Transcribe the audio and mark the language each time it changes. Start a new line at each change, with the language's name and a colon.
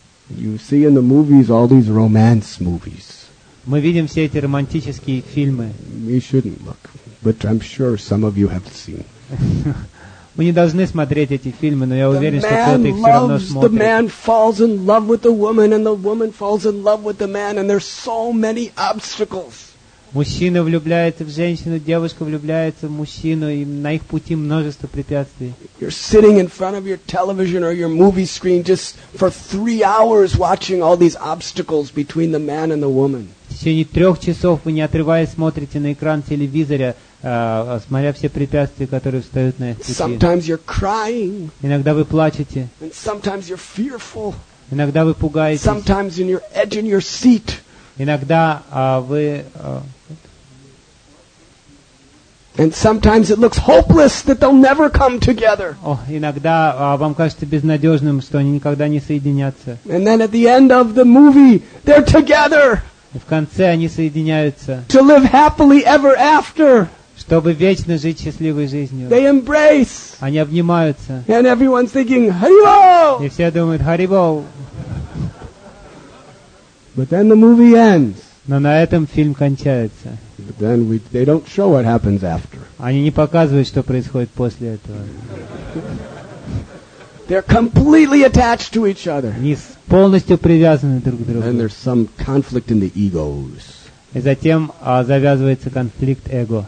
English: You see in the movies all these romance movies.
Russian: Мы видим все эти романтические фильмы.
English: You shouldn't look, but I'm sure some of you have seen.
Russian: Мы не должны смотреть эти фильмы, но я уверен, что кто-то их все равно смотрит.
English: The man loves, the man falls in love with the woman, and the woman falls in love with the man, and there's so many obstacles.
Russian: Мужчина влюбляется в женщину, девушка влюбляется в мужчину, и на их пути множество препятствий.
English: You're sitting in front of your television or your movie screen just for 3 hours watching all these obstacles between the man and the woman.
Russian: В течение 3 часов вы не отрываясь смотрите на экран телевизора, смотря все препятствия, которые встают на их пути.
English: Sometimes you're crying.
Russian: Иногда вы плачете.
English: And sometimes you're fearful.
Russian: Иногда вы пугаетесь.
English: Sometimes in your edge in your seat.
Russian: Иногда вы.
English: And sometimes it looks hopeless that they'll never come together.
Russian: Иногда вам кажется безнадежным, что они никогда не соединятся.
English: And then at the end of the movie, they're together.
Russian: И в конце они соединяются.
English: To live happily ever after.
Russian: Чтобы вечно жить счастливой жизнью.
English: They embrace.
Russian: Они обнимаются.
English: And everyone's thinking, Haribol!
Russian: И все думают, Haribol!
English: But then the movie ends.
Russian: Но на этом фильм кончается.
English: But then they don't show what happens after.
Russian: Они не показывают, что происходит после этого.
English: They're completely attached to each other.
Russian: Они полностью привязаны друг к другу.
English: And there's some conflict in the egos.
Russian: И затем завязывается конфликт эго.